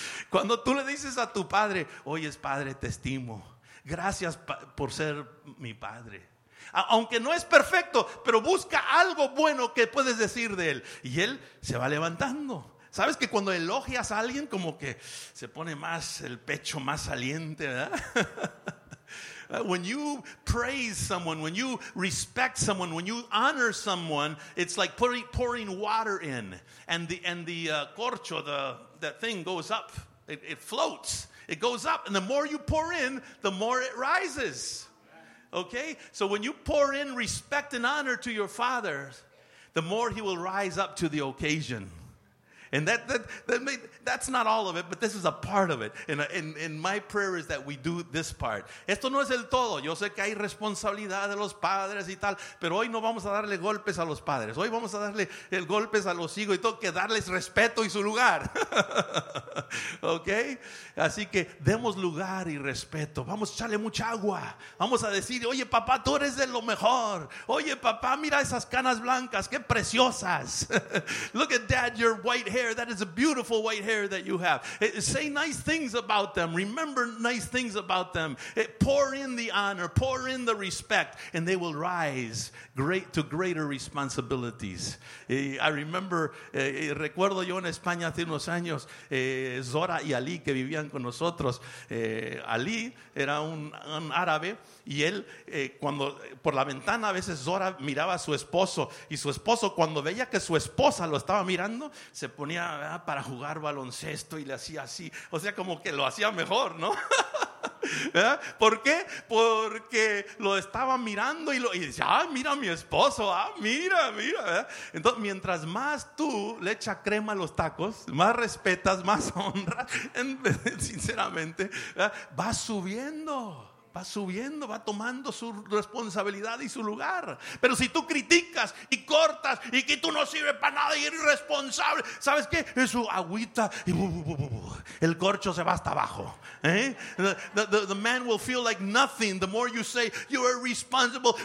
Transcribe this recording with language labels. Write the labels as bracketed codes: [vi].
[es] Cuando tú le dices a tu padre, oye, padre, te estimo, gracias por ser mi padre. Aunque no es perfecto, pero busca algo bueno que puedes decir de él. Y él se va levantando. ¿Sabes que cuando elogias a alguien, como que se pone más el pecho más saliente, ¿verdad? [en] When you praise someone, when you respect someone, when you honor someone, it's like pouring water in, and the corcho, that thing goes up, it floats, it goes up, and the more you pour in, the more it rises. Okay, so when you pour in respect and honor to your father, the more he will rise up to the occasion. And that's not all of it, but this is a part of it. And my prayer is that we do this part. [es] Esto no es el todo. Yo sé que hay responsabilidad de los padres y tal, pero hoy no vamos a darle golpes a los padres. Hoy vamos a darle el golpes a los hijos y tengo que darles respeto y su lugar. Okay? Así que demos lugar y respeto. Vamos a echarle mucha agua. Vamos a decir, oye, papá, tú eres de lo mejor. Oye, papá, mira esas canas blancas. Qué preciosas. [en] Look at dad, your white hair. That is a beautiful white hair that you have. Say nice things about them. Remember nice things about them. Pour in the honor. Pour in the respect. And they will rise great to greater responsibilities. I remember, [es] recuerdo yo en España hace unos años, Zora y Ali que vivían con nosotros. Ali era un árabe. Y él, cuando por la ventana a veces Zora miraba a su esposo, y su esposo cuando veía que su esposa lo estaba mirando, se ponía, ¿verdad?, para jugar baloncesto y le hacía así, o sea, como que lo hacía mejor, ¿no? ¿Verdad? ¿Por qué? Porque lo estaba mirando y decía, ah, mira a mi esposo, ah, mira, mira, ¿verdad? Entonces, mientras más tú le echas crema a los tacos, más respetas, más honra, sinceramente, ¿verdad?, va subiendo, va tomando su responsabilidad y su lugar. Pero si tú criticas y cortas y que tú no sirves para nada y eres irresponsable, ¿sabes qué? Es su agüita y el corcho se va hasta abajo. ¿Eh? [en] The man will feel like nothing the more you say you are responsible.